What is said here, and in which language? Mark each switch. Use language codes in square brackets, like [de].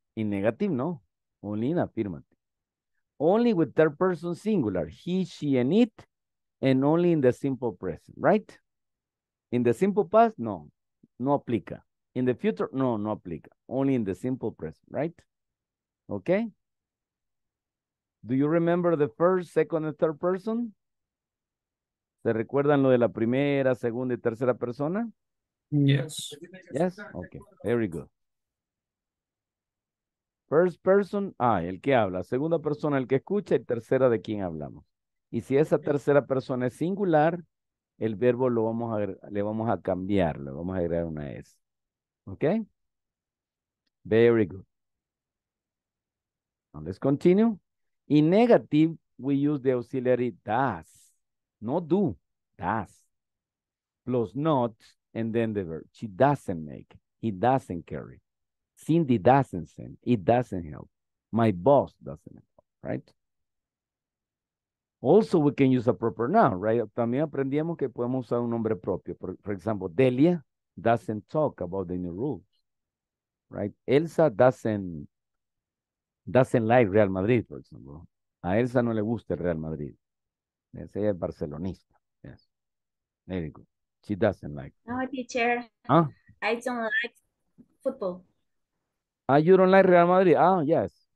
[en] In negative, no, only in affirmative. Only with third person singular, he, she, and it, and only in the simple present, right? In the simple past, [es] no, no aplica. [en] In the future, no, no aplica. Only in the simple present, right? Okay? Do you remember the first, second, and third person? [es] ¿Se recuerdan lo de la primera, segunda y tercera persona? [en] Yes. Yes? Okay, very good. First person, [es] el que habla. Segunda persona, el que escucha. Y tercera, de quien hablamos. Y si esa tercera persona es singular, el verbo lo vamos a, le vamos a cambiar, le vamos a agregar una S. Okay? [en] Very good. Now let's continue. In negative, we use the auxiliary does, not do, does, plus not, and then the verb. She doesn't make, he doesn't carry. Cindy doesn't send, it doesn't help. My boss doesn't help, right? Also, we can use a proper noun, right? [es] También aprendimos que podemos usar un nombre propio. [en] For example, Delia doesn't talk about the new rules, right? Elsa doesn't like Real Madrid, for example. [es] A Elsa no le gusta el Real Madrid. [en] Yes, [es] ella es barcelonista. [en] Yes. Very good. She doesn't like. No, teacher. Huh? I don't like football. Ah, you don't like Real Madrid? Ah, yes.